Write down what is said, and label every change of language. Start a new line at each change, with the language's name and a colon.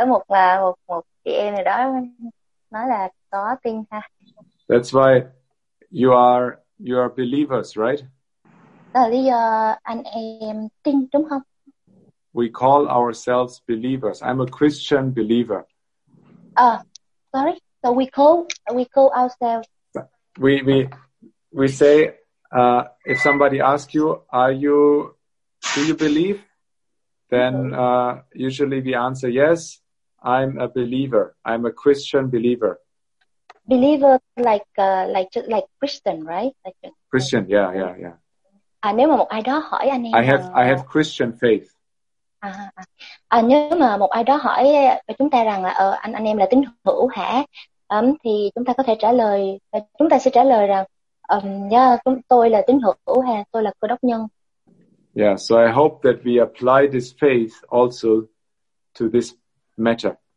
Vietnamese: Có một chị em này đó nói là có tin ha.
English: That's why you are believers, right?
Vietnamese: Đó là lý do anh em tin đúng không?
English: We call ourselves believers. I'm a Christian believer. Sorry. So we call ourselves. We say if somebody asks you, do you believe? Then usually we answer yes. I'm a believer. I'm a Christian believer. Believer like Christian, right? Like Christian. Yeah.
Vietnamese: Nếu mà một ai đó hỏi anh em,
English: I have Christian faith.
Vietnamese: Nếu mà một ai đó hỏi chúng ta rằng là anh em là tín hữu hả, thì chúng ta có thể trả lời, chúng ta sẽ trả lời rằng yeah, tôi là tín hữu hả, tôi là cơ đốc nhân.
English: Yeah, so I hope that we apply this faith also to this matter.